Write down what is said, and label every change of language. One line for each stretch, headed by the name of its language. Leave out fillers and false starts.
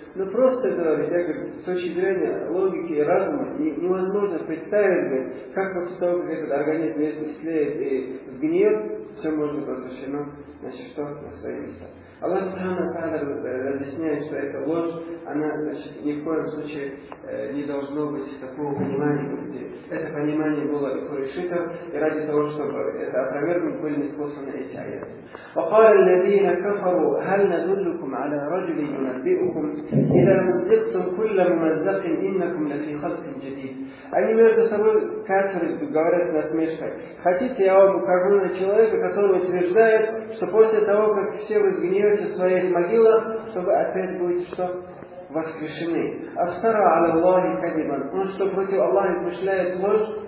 Russian: Но просто говорит, я говорю, с точки зрения логики и разума, и невозможно представить, говорит, как после того, как этот организм истлеет и сгниет, все может быть воскрешено, значит, что на свои места. Аллах Субхана Тааля разъясняет, что эта ложь, она, значит, ни в коем случае не должно быть такого понимания у людей. Это понимание было у курайшитов, и ради того, чтобы это опровергнуть, были ниспосланы эти аяты.
Arabic: وقال الذين كفروا هل ندلكم على رجل ينبئكم إذا مزقتم كل ممزق إنكم لفي خلق جديد.
Russian: Они между собой кафиры говорят с насмешкой. Хотите, я вам покажу на человека, который утверждает, что после того, как все вы сгниете в своих могилах, что вы опять будете что? Воскрешены.
Arabic: Афтара аля Аллахи кадибан.
Russian: Он что против Аллаха измышляет ложь?